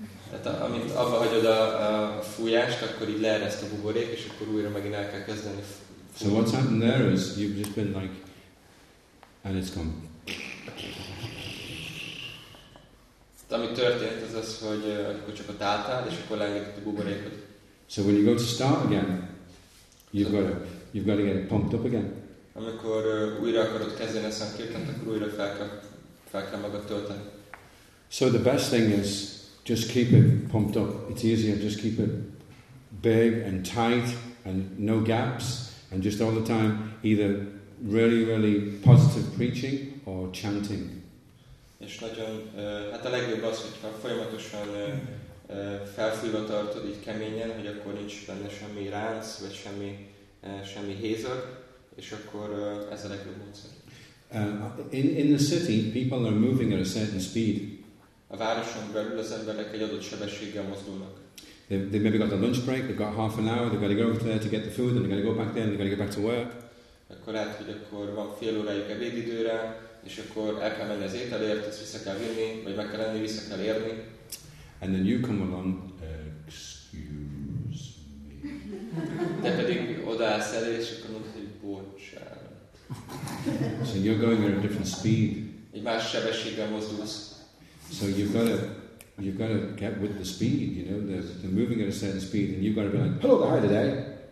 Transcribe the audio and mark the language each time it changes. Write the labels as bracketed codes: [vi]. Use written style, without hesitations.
[hu] Tehát amint abba hagyod a fújást, akkor így leereszt a buborék, és akkor újra megint el kell kezdeni. [en] So what's happened there is you've just been like, and it's gone. [hu] Tehát ami történt az, hogy akkor csak ott álltál, és akkor leengedett a buborékot. [en] So when you go to start again, you've got to get it pumped up again. [hu] Amikor újra akarod kezdeni a szankirtant, akkor újra fel kell magad tölteni. [en] So the best thing is, just keep it pumped up. It's easier. Just keep it big and tight and no gaps and just all the time either really, really positive preaching or chanting. [hu] És nagyon, hát a legjobb az, hogyha folyamatosan felfújva tartod így keményen, hogy akkor nincs benne semmi ránc, vagy semmi hézag, és akkor ez a legjobb módszer. [en] In the city, people are moving at a certain speed. [hu] A városon belül az emberek egy adott sebességgel mozdulnak. [en] They maybe got a lunch break, they got half an hour, they got to go over there to get the food, and they got to go back there, and they got to get back to work. [hu] Akkor lehet, hogy akkor van fél órájuk ebédidőre, és akkor el kell menni az ételért, ezt vissza kell vinni, vagy meg kell lenni, vissza kell érni. [en] And then you come along, excuse me. [hu] Te pedig odaállsz elé, és akkor mondod, hogy bocsánat. [en] So you're going at a different speed. [hu] Egy más sebességgel mozdulsz. [en] So you've got to get with the speed, you know, they're moving at a certain speed, and you've got to be like, hello, hi today.